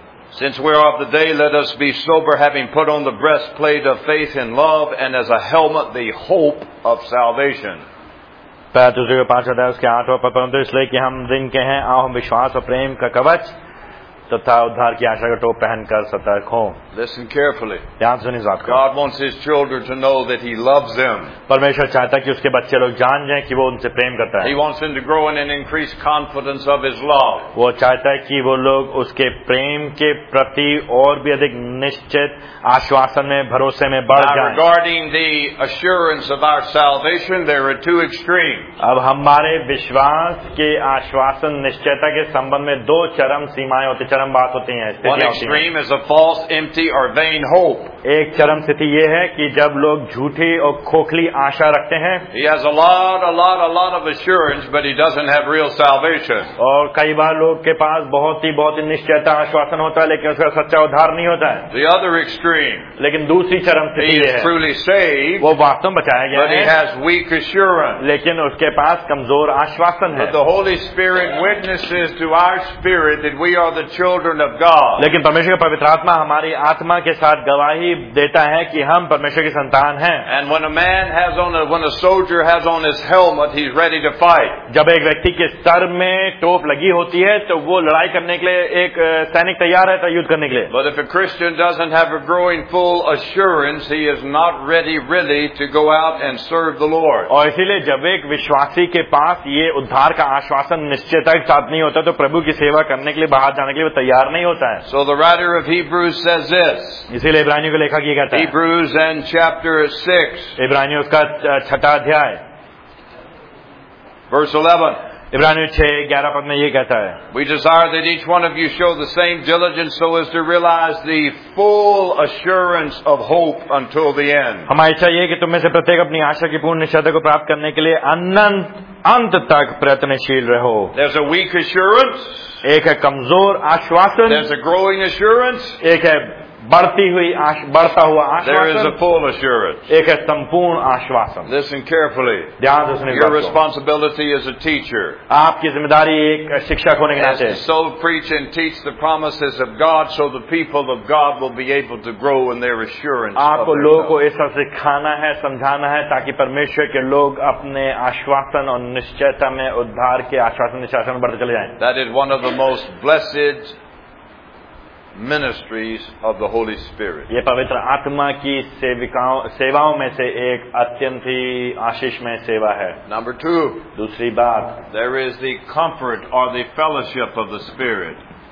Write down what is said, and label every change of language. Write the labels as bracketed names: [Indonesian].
[English] Since we are of the day, let us be sober, having put on the breastplate of faith and love, and as a helmet the hope of salvation. [Hindi] उसके आठवां पद, परंतु इसलिए कि हम दिन के हैं, आओ हम विश्वास और प्रेम का कवच तथा उद्धार की आशा का टोप पहनकर सतर्क हो. [English] Listen carefully. [Hindi] ध्यान सुनिए इस बात को. [English] God wants his children to know that he loves them. [Hindi] परमेश्वर चाहता है कि उसके बच्चे लोग जान जाएं कि वो उनसे प्रेम करता है. [English] He wants them to grow in an increased confidence of his love. [Hindi] वो चाहता है कि वो लोग उसके प्रेम के प्रति और भी अधिक निश्चित आश्वासन में भरोसे में बढ़ जाएं. [English] Regarding the assurance of our salvation, there are two extremes. [Hindi] अब हमारे विश्वास के आश्वासन निश्चयता के संबंध में दो चरम सीमाएं होती चरम बात होती हैं. [English] One extreme is a false, empty, or vain hope. [Hindi] एक चरम स्थिति यह है कि जब लोग झूठी और खोखली आशा रखते हैं. [English] He has a lot of assurance, but he doesn't have real salvation. [Hindi] और कई बार लोग के पास बहुत ही निश्चयता आश्वासन होता है लेकिन उसका सच्चा उद्धार नहीं होता है. [English] The other extreme. [Hindi] लेकिन दूसरी चरम स्थिति है. [English] He is truly saved. [Hindi] वो वास्तव में बचाया गया है. [English] But he has weak assurance. [Hindi] लेकिन उसके पास कमजोर आश्वासन है. [English] But the Holy Spirit witnesses to our spirit that we are the children of God. [Hindi] लेकिन परमेश्वर का पवित्र आत्मा हमारी आत्मा के साथ गवाही देता है कि हम परमेश्वर के संतान हैं. [English] And when a man has on a, when a soldier has on his helmet, he's ready to fight. [Hindi] जब एक व्यक्ति के सर में टोप लगी होती है तो वो लड़ाई करने के लिए एक सैनिक तैयार है युद्ध करने के लिए. [English] But if a Christian doesn't have a growing full assurance, he is not ready really to go out and serve the Lord. [Hindi] और इसीलिए जब एक विश्वासी के पास ये उद्धार का आश्वासन निश्चयता के साथ नहीं होता तो प्रभु की सेवा करने के लिए बाहर जाने के लिए वो तैयार नहीं होता है. [English] So the writer of Hebrews says this. [Hindi] इसीलिए [English] Hebrews and chapter 6. [Hindi] इब्रानियों उसका छठा अध्याय. [English] Verse 11. [Hindi] इब्रानियों 6:11 पद में ये कहता है. [English] We desire that each one of you show the same diligence so as to realize the full assurance of hope until the end. [Hindi] हमारी इच्छा ये कि तुम में से प्रत्येक अपनी आशा की पूर्ण निश्चयता को प्राप्त करने के लिए अनंत अंत तक प्रयत्नशील रहो. [English] There's a weak assurance. [Hindi] एक है कमजोर आश्वासन. [English] There's a growing assurance. [Hindi] एक है बढ़ती हुई बढ़ता हुआ आश्वासन. [English] There is a full assurance. [Hindi] एक है संपूर्ण आश्वासन. [English] Listen carefully. [Hindi] ध्यान से सुनिए. [English] Your responsibility as a teacher. [Hindi] आपकी जिम्मेदारी एक शिक्षक होने के नाते. [English] So preach and teach the promises of God so the people of God will be able to grow in their assurance. [Hindi] आपको लोगों को ऐसा सिखाना है समझाना है ताकि परमेश्वर के लोग अपने आश्वासन और निश्चयता में उद्धार के आश्वासन निश्चयता में बढ़ चले जाएं. [English] That is one of the most blessed ministries of the Holy Spirit. [Hindi] ये पवित्र आत्मा की सेवाओं में से एक अत्यंत ही आशीषमय सेवा है. [English] Number two. [Hindi] दूसरी बात. [English] There is the comfort or the fellowship of the Spirit.